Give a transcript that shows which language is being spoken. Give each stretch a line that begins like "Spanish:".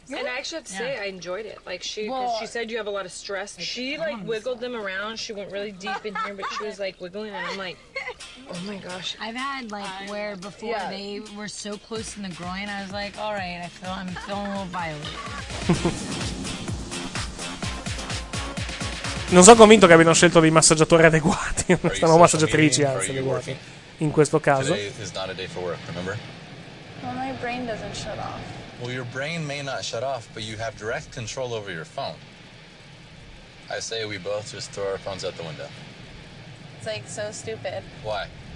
English: And I actually have to say I enjoyed it. Like she, well, she said you have a lot of stress. She like wiggled them around. She went really deep in here, but she was like wiggling, and I'm like, oh my gosh. I've had like where before they were so close in the groin, I was like, all right, I'm feeling a little violent.
Italian: Non sono convinto che abbiano scelto dei massaggiatori adeguati. Stanno massaggiatrici, anzi, adeguati. In questo caso.
English: Today is not a day for work, remember? Well, my brain doesn't shut off. Well, your brain may not shut off, but you have direct control over your phone. I say we both just throw our phones out the window. It's like so stupid. Why?